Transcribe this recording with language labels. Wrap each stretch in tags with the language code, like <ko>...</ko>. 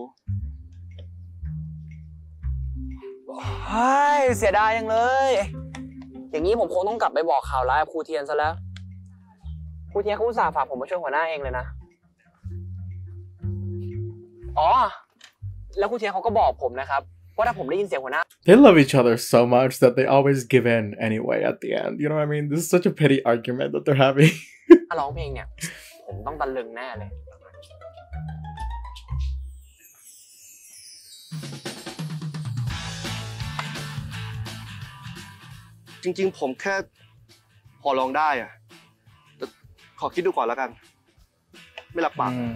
<th>เฮ้ยเสียดายจังเลยอย่างนี้ผมคงต้องกลับไปบอกข่าวร้ายครูเทียนซะแล้วครูเทียนเขาอุตส่าห์ฝากผมมาช่วยหัวหน้าเองเลยนะอ๋อแล้วคุณเทียนเขาก็บอกผมนะครับว่าถ้าผมได้ยินเสียงหัวหน้า</th> <en>They love each other so much that they always give in anyway at the end you know what I mean this is such a petty argument that they're having</en> <th>ร้องเพลงเนี่ยผมต้องตะลึงแน่เลย จริงๆผมแค่พอลองได้อ่ะแต่ขอคิดดูก่อนแล้วกันไม่รับปาก</th>